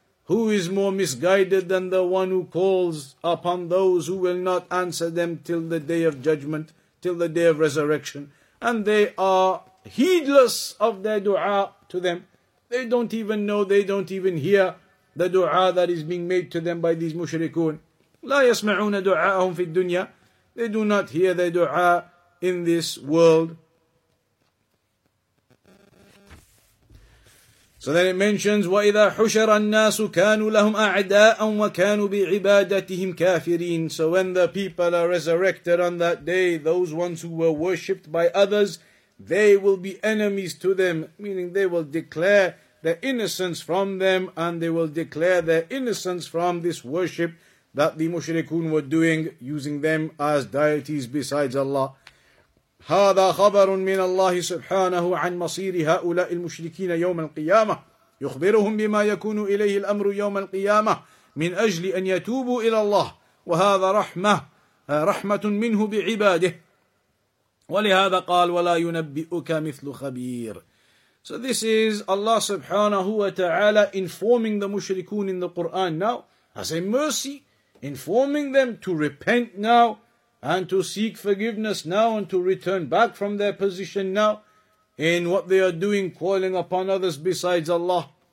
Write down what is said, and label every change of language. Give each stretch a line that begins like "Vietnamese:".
English: Who is more misguided than the one who calls upon those who will not answer them till the day of judgment, till the day of resurrection? And they are heedless of their dua to them. They don't even know, they don't even hear the dua that is being made to them by these mushrikun.
Arabic: لا يسمعون دعاءهم في الدنيا.
English: They do not hear their dua in this world. So then it mentions,
Arabic: وَإِذَا حُشَرَ النَّاسُ كَانُوا لَهُمْ أَعْدَاءً وَكَانُوا بِعِبَادَتِهِمْ كَافِرِينَ.
English: So when the people are resurrected on that day, those ones who were worshipped by others, they will be enemies to them, meaning they will declare their innocence from them, and they will declare their innocence from this worship that the mushrikun were doing, using them as deities besides Allah.
Arabic: هذا خبر من الله سبحانه عن مصير هؤلاء المشركين يوم القيامة يخبرهم بما يكون إليه الأمر يوم القيامة من أجل أن يتوبوا إلى الله وهذا رحمة منه بعباده ولهذا قال ولا ينبئك مثل خبير.
English: So this is Allah subhanahu wa ta'ala informing the mushrikun in the Quran now as a mercy, informing them to repent now and to seek forgiveness now and to return back from their position now in what they are doing, calling upon others besides Allah.